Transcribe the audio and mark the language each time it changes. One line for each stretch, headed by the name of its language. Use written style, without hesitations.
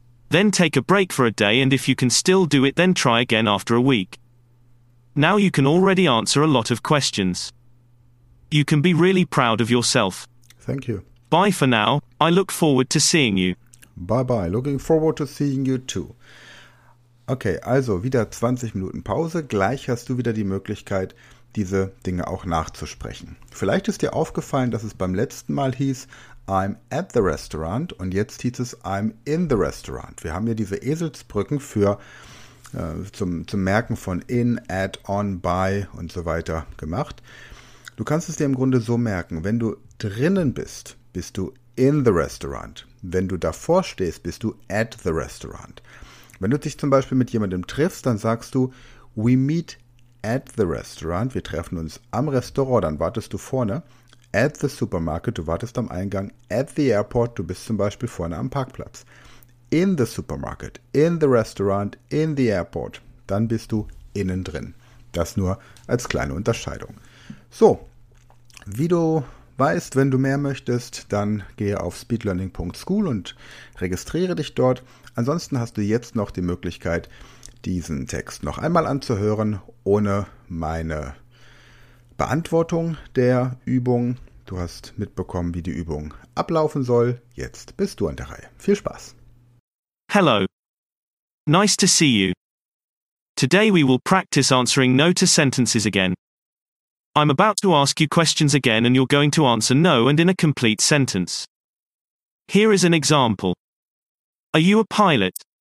English: Then take a break for a day and if you can still do it then try again after a week. Now you can already answer a lot of questions. You can be really proud of yourself. Thank you. Bye for now. I look forward to seeing you. Bye-bye. Looking forward to seeing you too.
German: Okay, also wieder 20 Minuten Pause. Gleich hast du wieder die Möglichkeit, diese Dinge auch nachzusprechen. Vielleicht ist dir aufgefallen, dass es beim letzten Mal hieß,
English: I'm at the restaurant
German: und jetzt hieß es,
English: I'm in the restaurant.
German: Wir haben ja diese Eselsbrücken für zum Merken von in, at, on, by und so weiter gemacht. Du kannst es dir im Grunde so merken, wenn du drinnen bist, bist du
English: in the restaurant.
German: Wenn du davor stehst, bist du
English: at the restaurant.
German: Wenn du dich zum Beispiel mit jemandem triffst, dann sagst du,
English: we meet at the restaurant.
German: Wir treffen uns am Restaurant, dann wartest du vorne.
English: At the supermarket,
German: du wartest am Eingang.
English: At the airport,
German: du bist zum Beispiel vorne am Parkplatz.
English: In the supermarket, in the restaurant, in the airport.
German: Dann bist du innen drin. Das nur als kleine Unterscheidung. So, wie du weißt, wenn du mehr möchtest, dann gehe auf speedlearning.school und registriere dich dort. Ansonsten hast du jetzt noch die Möglichkeit, diesen Text noch einmal anzuhören, ohne meine Beantwortung der Übung. Du hast mitbekommen, wie die Übung ablaufen soll. Jetzt bist du an der Reihe. Viel Spaß.
English: Hello. Nice to see you. Today we will practice answering no to sentences again. I'm about to ask you questions again and you're going to answer no and in a complete sentence. Here is an example. Are you a pilot?